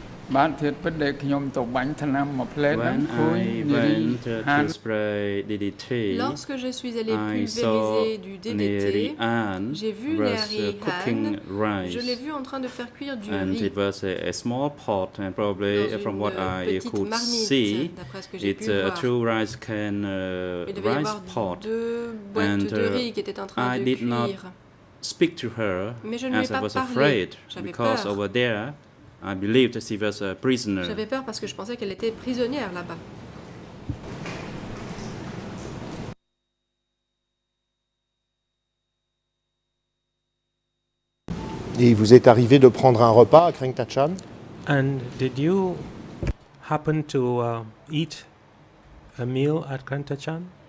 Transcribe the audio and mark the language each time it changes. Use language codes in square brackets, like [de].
[fr] Lorsque je suis allé pulvériser du DDT, j'ai vu Neri Han. Je l'ai vu en train de faire cuire du [en] and [fr] riz. [en] It was a small pot, and probably from what I could [fr] marmite, [en] see, it's a two rice can rice pot. And I did not speak to her, [fr] mais je ne [en] as [fr] lui ai pas [en] was [fr] parlé. [en] Afraid [fr] J'avais [en] because [fr] peur. [en] Over there. I believed she was a prisoner. [fr] J'avais peur parce que je pensais qu'elle était prisonnière là-bas. Et il vous est arrivé de prendre un repas à Kreng Tachan? [en] And did you happen to eat a meal at Kreng Tachan?